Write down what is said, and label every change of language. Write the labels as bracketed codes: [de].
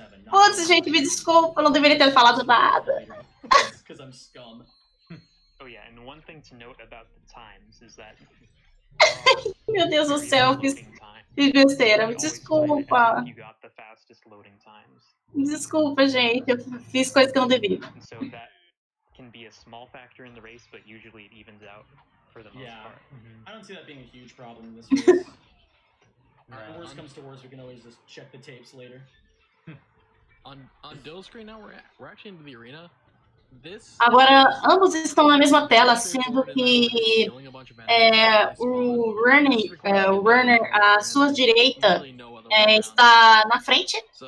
[pt] Putz, gente, me desculpa, não deveria ter falado nada. [en] Because I'm scum. Oh yeah, and one thing to note about the times is that... [pt] Meu Deus do céu, fiz besteira, me desculpa. [en] You got the fastest loading times. [pt] Me desculpa, gente, eu fiz coisa que não devia. [en] Can be a small factor in the race, but usually it evens out for the most part. Mm-hmm. I don't see that being a huge problem in this race. Yeah, worst comes to worst, we can always just check the tapes later. on Dill's screen now, we're actually into the arena. This [pt] agora ambos estão na mesma tela, sendo que o runner à sua direita está na frente.